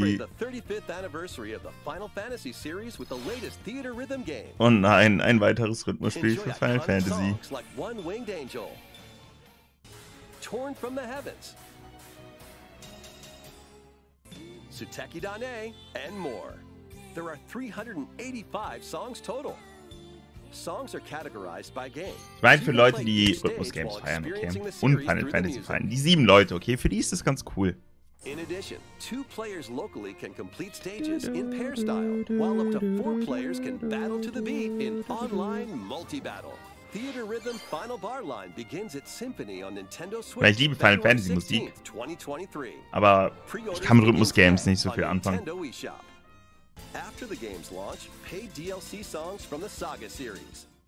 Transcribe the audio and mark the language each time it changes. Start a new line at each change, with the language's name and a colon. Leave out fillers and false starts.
English: Celebrate the 35th anniversary of the Final Fantasy series with the latest theater rhythm game.
German: Oh nein, ein weiteres Rhythmusspiel für Final Fantasy.
English: Like one-winged angel, torn from the heavens. Tsuteki Dane and more. There are 385 songs total. Songs are categorized by game.
German: Ich meine, für Leute, die Rhythmus-Games feiern, okay. Und Final Fantasy feiern. Die sieben Leute, okay. Für die ist das ganz cool.
English: In addition, two players locally can complete stages in pair style, while up to four players can battle to the beat in online multi-battle. Theater Rhythm Final Bar Line begins its symphony on Nintendo Switch.
German: Ich liebe Final Fantasy Musik, aber ich kann mit Rhythmus-Games nicht so viel anfangen.
English: After the game's launch, pay DLC songs from the Saga series.